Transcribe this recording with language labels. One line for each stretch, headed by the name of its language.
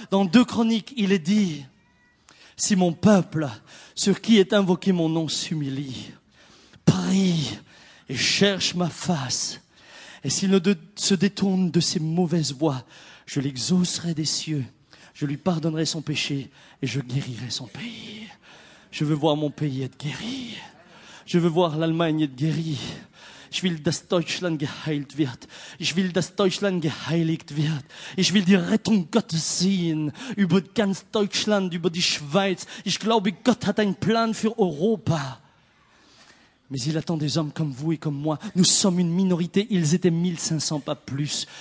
French: Dans 2 Chroniques, il est dit, « Si mon peuple, sur qui est invoqué mon nom, s'humilie, prie et cherche ma face, et s'il ne se détourne de ses mauvaises voies, je l'exaucerai des cieux, je lui pardonnerai son péché et je guérirai son pays. » Je veux voir mon pays être guéri. Je veux voir l'Allemagne être guérie.
German: Ich will, dass Deutschland geheilt wird. Ich will, dass Deutschland geheiligt wird. Ich will die Rettung Gottes sehen über ganz Deutschland, über die Schweiz. Ich glaube, Gott hat einen Plan für Europa.
French: Mais il attend des hommes comme vous et comme moi. Nous sommes une minorité. Ils étaient 1500, pas plus.